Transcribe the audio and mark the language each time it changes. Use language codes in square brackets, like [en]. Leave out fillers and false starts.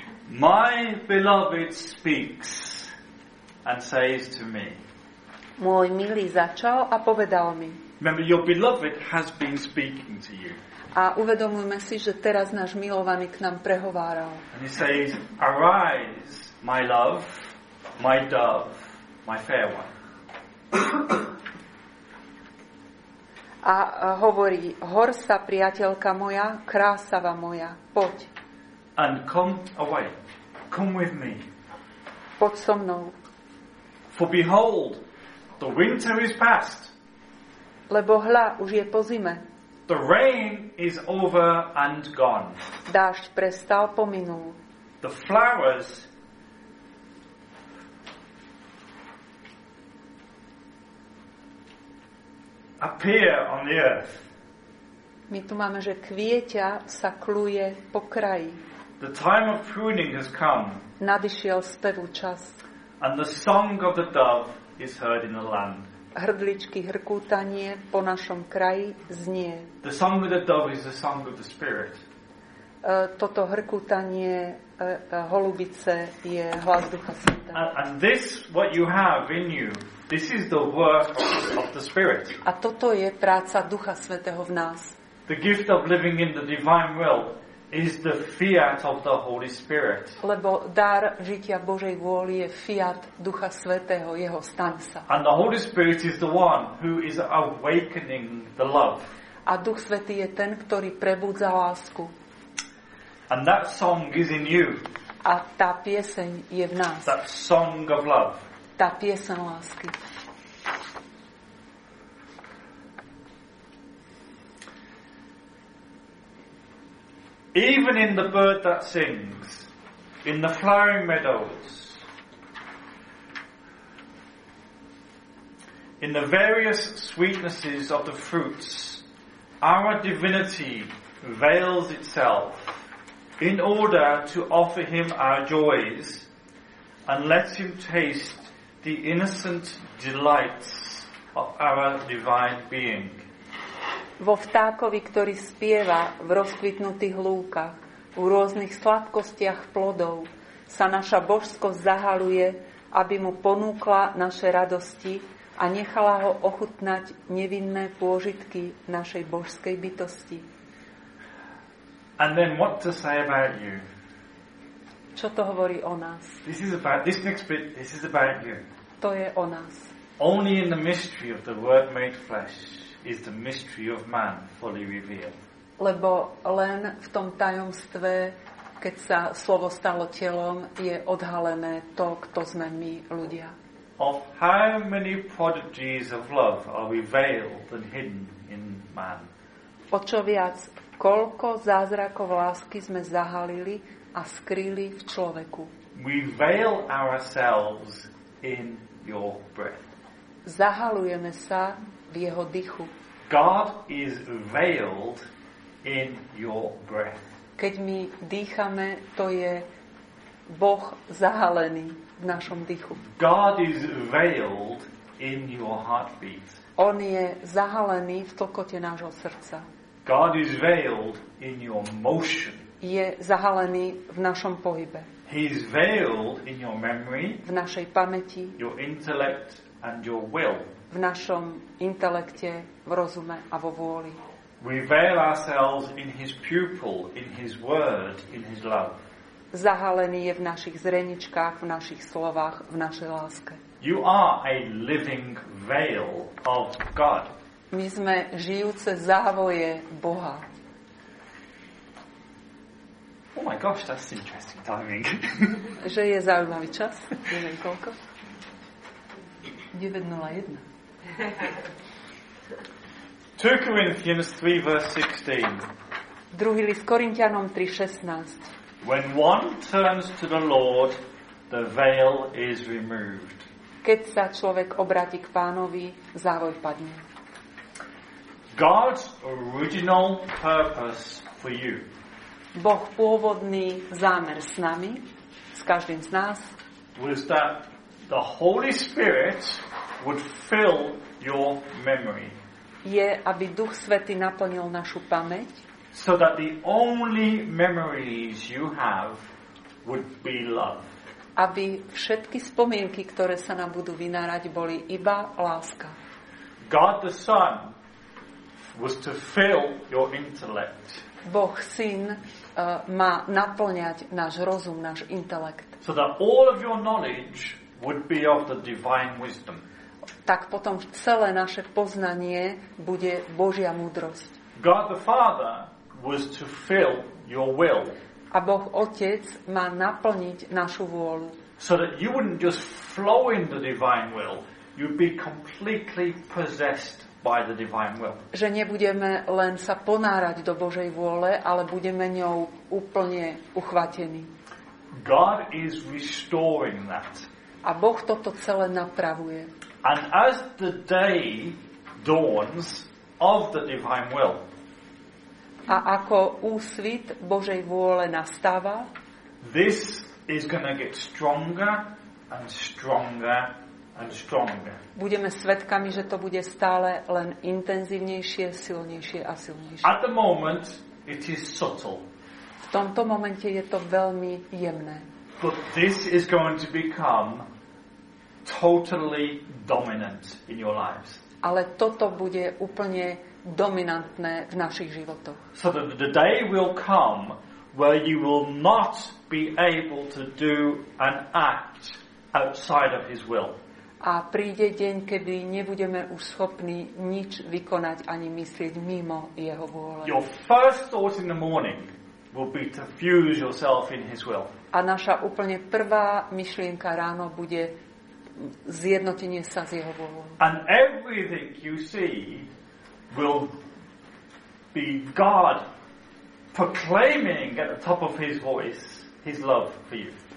[en] My beloved speaks and says to me. [sk] Môj milý začal a povedal mi. [en] Remember, your beloved has been speaking to you. [sk] A uvedomujme si, že teraz náš milovaný k nám prehováral. [en] And he says, arise, my love, my dove, my fair one. [sk] A hovorí, hor sa, priateľka moja, krásava moja, poď. [en] And come away, come with me. [sk] Poď so mnou. [en] For behold, the winter is past. [sk] Lebo hľa, už je po zime. [en] The rain is over and gone. [sk] Dážď prestal, pominul. [en] The flowers appear on the earth. [sk] My tu máme, že kvieťa sa kluje po kraji. [en] The time of pruning has come. [sk] Nadišiel spevu čas. [en] And the song of the dove is heard in the land. [sk] Hrdličky hrkútanie po našom kraji znie. [en] The song of the dove is the song of the spirit. [sk] Toto hrkútanie holubice je hlas Ducha Svätého. [en] And this what you have in you, this is the work of the spirit. [sk] A toto je práca Ducha Svätého v nás. [en] The gift of living in the divine will is the fiat of the Holy Spirit. [sk] Lebo dar žitia Božej vôli je fiat Ducha Svätého, jeho stan sa. [en] And the Holy Spirit is the one who is awakening the love. [sk] A Duch Svätý je ten, ktorý prebudza lásku. [en] And that song is in you. [sk] A tá pieseň je v nás. [en] That song of love. [sk] Tá pieseň lásky. [en] Even in the bird that sings, in the flowering meadows, in the various sweetnesses of the fruits, our divinity veils itself in order to offer him our joys and let him taste the innocent delights of our divine being. [sk] Vo vtákovi, ktorý spieva v rozkvitnutých lúkach, v rôznych sladkostiach plodov, sa naša božskosť zahaluje, aby mu ponúkla naše radosti a nechala ho ochutnať nevinné pôžitky našej božskej bytosti. [en] And then what to say about you? [sk] Čo to hovorí o nás? [en] This is about you. [sk] To je o nás. [en] Only in the mystery of the Word made flesh is the mystery of man fully revealed. [sk] Lebo len v tom tajomstve, keď sa slovo stalo telom, je odhalené to, kto sme my, ľudia. [en] Of how many prodigies of love are revealed and hidden in man? [sk] O čo viac, koľko zázrakov lásky sme zahalili a skrýli v človeku? [en] We veil ourselves in your breath. [sk] Zahalujeme sa v jeho dychu. [en] God is veiled in your breath. [sk] Keď my dýchame, to je Boh zahalený v našom dychu. [en] God is veiled in your heartbeat. [sk] On je zahalený v tlkote nášho srdca. [en] God is veiled in your motion. [sk] Je zahalený v našom pohybe. [en] He is veiled in your memory. [sk] V našej pamäti. [en] Your intellect and your will. [sk] V našom intelekte, v rozume a vo vôli. [en] We veil ourselves in his pupil, in his word, in his love. [sk] Zahalený je v našich zreničkách, v našich slovách, v našej láske. [en] You are a living veil of God. [sk] My sme žijúce závoje Boha. [en] Oh my gosh, that's interesting timing. [sk] Že je zaujímavý čas? Neviem koľko? 9:01. [en] 2 Corinthians 3 verse 16. [sk] Druhý list Korintianom 3:16. [en] When one turns to the Lord, the veil is removed. [sk] Keď sa človek obráti k Pánovi, závoj padne. [en] God's original purpose for you. [sk] Boh pôvodný zámer s nami. s každým z nás, [en] was that the Holy Spirit would fill your memory. [sk] Je, aby Duch Svätý naplnil našu pamäť, [en] so that the only memories you have would be love. [sk] Aby všetky spomienky, ktoré sa nám budú vynárať, boli iba láska. [en] God the Son was to fill your intellect. [sk] Boh Syn má naplňať náš rozum, náš intelekt. [en] So that all of your knowledge would be of the divine wisdom. [sk] Tak potom celé naše poznanie bude Božia múdrosť. [en] God the Father was to fill your will. [sk] A Boh Otec má naplniť našu vôľu. [en] So that you wouldn't just flow in the divine will, you'd be completely possessed by the divine will. [sk] Že nebudeme len sa ponárať do Božej vôle, ale budeme ňou úplne uchvatení. [en] God is restoring that. [sk] A Boh toto celé napravuje. [en] And as the day dawns of the divine will. [sk] A ako úsvit Božej vôle nastáva, [en] this is going to get stronger and stronger and stronger. [sk] Budeme svedkami, že to bude stále len intenzívnejšie, silnejšie a silnejšie. [en] At the moment it is subtle. [sk] V tomto momente je to veľmi jemné. [en] But this is going to become totally dominant in your lives. [sk] Ale toto bude úplne dominantné v našich životoch. [en] So that the day will come where you will not be able to do an act outside of his will. [sk] A príde deň, kedy nebudeme už schopní nič vykonať ani myslieť mimo jeho vôle. [en] Your first thought in the morning will be to fuse yourself in his will. [sk] A naša úplne prvá myšlienka ráno bude zjednotenie sa s jeho vôľou. [en] And everything you see will be God proclaiming at the top of his voice his love for you.